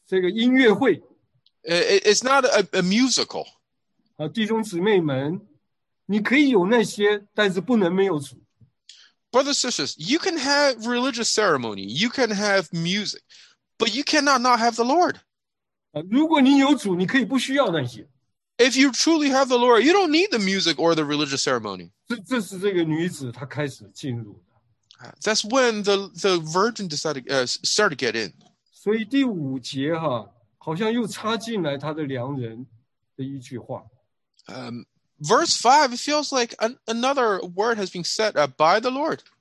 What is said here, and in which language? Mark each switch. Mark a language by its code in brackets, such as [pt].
[zh] 也不是一个音乐会。 [en] It's not a musical. [zh] 弟兄姊妹们，你可以有那些，但是不能没有主。 [en] Brothers and sisters, you can have religious ceremony, you can have music, but you cannot not have the Lord. [zh] 如果你有主，你可以不需要那些。 [en] If you truly have the Lord, you don't need the music or the religious ceremony. [zh] 这是这个女子她开始进入的。 [en] That's when the virgin decided started to get in. [zh] 所以第五节哈，好像又插进来他的良人的一句话。 [en] Verse 5, it feels like another word has been said by the Lord.